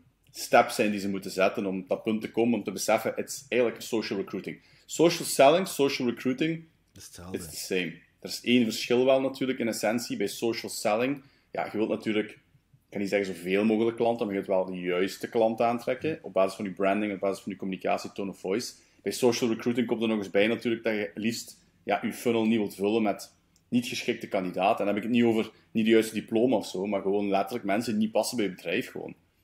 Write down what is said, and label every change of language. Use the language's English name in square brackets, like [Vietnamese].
[Dutch] steps zijn die ze moeten zetten om op dat punt te komen, om te beseffen, het is eigenlijk social recruiting. [English] Social selling, social recruiting, it's the same. [Dutch] Er is één verschil wel natuurlijk in essentie bij social selling. Ja, je wilt natuurlijk, ik kan niet zeggen zoveel mogelijk klanten, maar je wilt wel de juiste klanten aantrekken op basis van je branding, op basis van je communicatie, tone of voice. Bij social recruiting komt er nog eens bij natuurlijk dat je liefst je funnel niet wilt vullen met niet geschikte kandidaten. En dan heb ik het niet over niet de juiste diploma of zo, maar gewoon letterlijk mensen die niet passen bij je bedrijf gewoon.